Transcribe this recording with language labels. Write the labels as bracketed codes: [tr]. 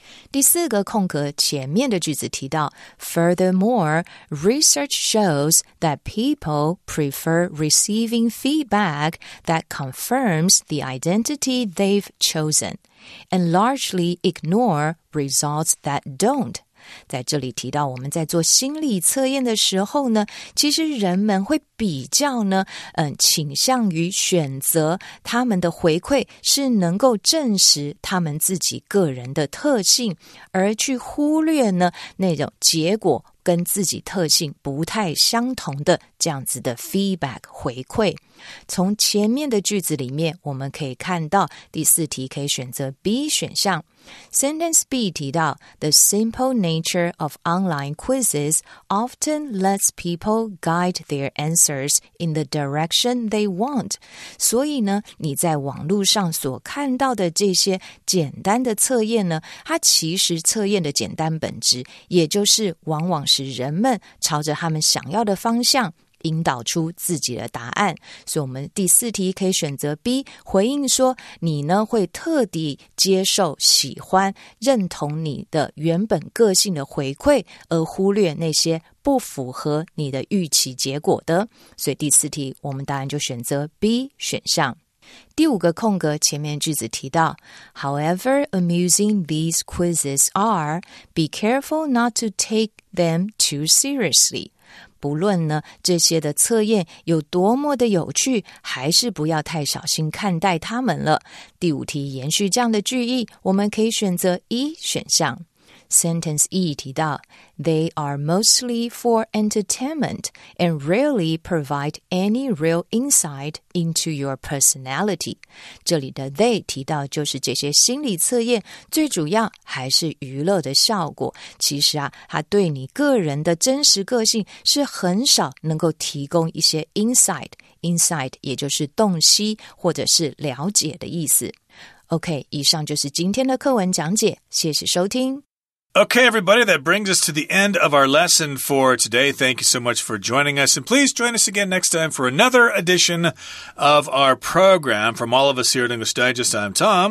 [zh] 第四个空格前面的句子提到 [en] Furthermore, research shows that people prefer receiving feedback that confirms the identity they've chosen and largely ignore results that don't。 [zh] 在这里提到，我们在做心理测验的时候呢，其实人们会比较呢，倾向于选择他们的回馈是能够证实他们自己个人的特性，而去忽略呢那种结果跟自己特性不太相同的这样子的 feedback 回馈。从前面的句子里面，我们可以看到第四题可以选择 B 选项。 [en] Sentence B [zh] 提到 [en] The simple nature of online quizzes often lets people guide their answers in the direction they want. [zh] 所以呢，你在网络上所看到的这些简单的测验呢，它其实测验的简单本质，也就是往往使人们朝着他们想要的方向引导出自己的答案。所以我们第四题可以选择 B， 回应说你呢会特地接受喜欢认同你的原本个性的回馈，而忽略那些不符合你的预期结果的。所以第四题我们答案就选择 B 选项。第五个空格前面句子提到 [en] However amusing these quizzes are, be careful not to take them too seriously。 [zh] 不论呢这些的测验有多么的有趣，还是不要太小心看待它们了。第五题延续这样的句意，我们可以选择 E 选项。 [en] Sentence E [zh] 提到 [en] They are mostly for entertainment and rarely provide any real insight into your personality. [zh] 这里的 they 提到就是这些心理测验最主要还是娱乐的效果，其实啊，它对你个人的真实个性是很少能够提供一些 insight 也就是洞悉或者是了解的意思。 OK， 以上就是今天的课文讲解，谢谢收听。 [en] Okay, everybody, that brings us to the end of our lesson for today. Thank you so much for joining us. And please join us again next time for another edition of our program. From all of us here at English Digest, I'm Tom.